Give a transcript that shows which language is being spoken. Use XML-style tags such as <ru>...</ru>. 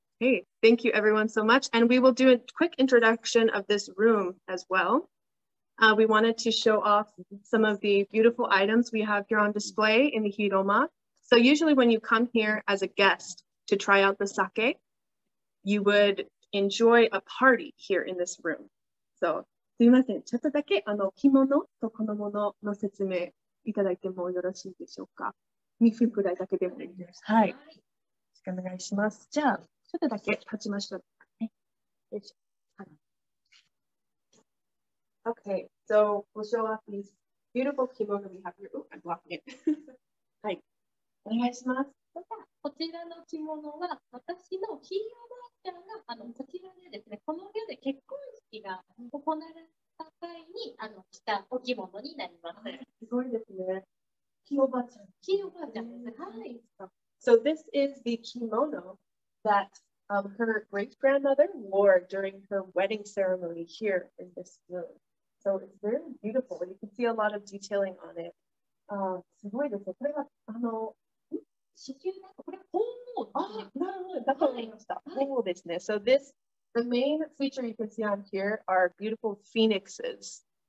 <en>Hey, thank you everyone so much, and we will do a quick introduction of this room as well. We wanted to show off some of the beautiful items we have here on display in the Hiroma. So usually when you come here as a guest to try out the sake, you would enjoy a party here in this room. So,</en> <ja>すいません。ちょっとだけ着物とこのものの説明いただいてもよろしいでしょうか。 2分くらいだけでもいいです。はい。よろしくお願いします。じゃあ、ちょっとだけ立ちましょう。よいしょ。</ja> <en>Okay, so we'll show off these beautiful kimono we have here. Oh, I'm blocking it. Hi.</en> <ja>お願いします。こちらの着物は私のひいおばあちゃんがこちらでですね、この世で結婚式が行われた際に着たお着物になります。すごいですね。ひいおばあちゃん。ひいおばあちゃんですね。はい。So</ja> <en>this is the kimono that her great-grandmother wore during her wedding ceremony here in this room. So it's very beautiful. You can see a lot of detailing on it.</en> <ja>すごいですね。これはあの、</ja> <en>So this, the main feature you can see on here are beautiful phoenixes.</en>